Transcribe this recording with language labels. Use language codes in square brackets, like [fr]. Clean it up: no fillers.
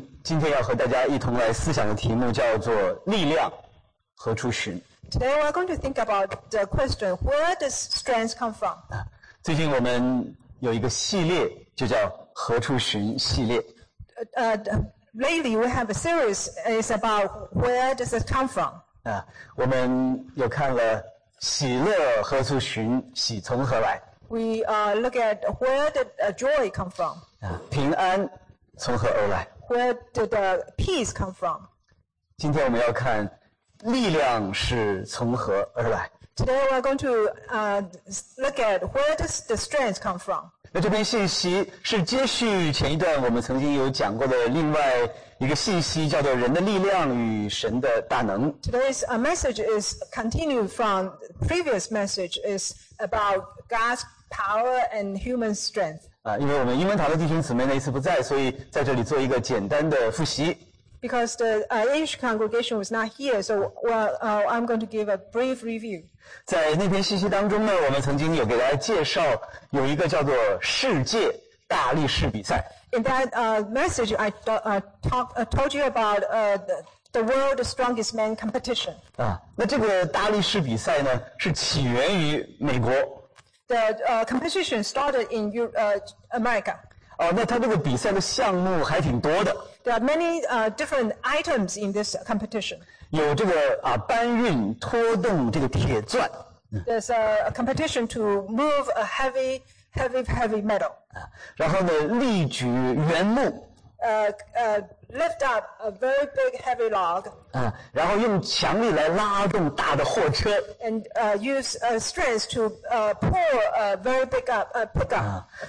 [zh] 今天要和大家一同来思想的题目叫做力量何处使。 [en] Today we're going to think about the question, where does strength come from? [zh] 最近我们有一个系列就叫何处使系列。 [en] Lately we have a series, it's about where does it come from? [zh] 我们有看了喜乐何处使喜从何来。 [en] We look at where did joy come from? [zh] 平安从何而来。 [en] Where did the peace come from? [zh] 今天我们要看力量是从何而来。 [en] Today we're going to look at where does the strength come from? [zh] 那这篇信息是接续前一段我们曾经有讲过的另外一个信息，叫做人的力量与神的大能。 [en] Today's message is continued from the previous message, is about God's power and human strength. [zh] 因为我们英文堂的弟兄姊妹那一次不在，所以在这里做一个简单的复习。 [en] Because the English congregation was not here, so I'm going to give a brief review. [zh] 在那篇信息当中呢，我们曾经有给大家介绍有一个叫做世界大力士比赛。 [en] In that message, I told you about the World Strongest Man Competition. [zh] 那这个大力士比赛呢，是起源于美国。 [en] The competition started in America. [zh] 那他这个比赛的项目还挺多的。 [en] There are many different items in this competition. [zh] 有这个搬运拖动这个铁钻。 [en] There's a competition to move a heavy metal. [zh] 然后呢，力举圆木。 [en] Lift up a very big heavy log. [zh] 然后用强力来拉动大的货车。 [en] And use strength to pull a very big up a pickup.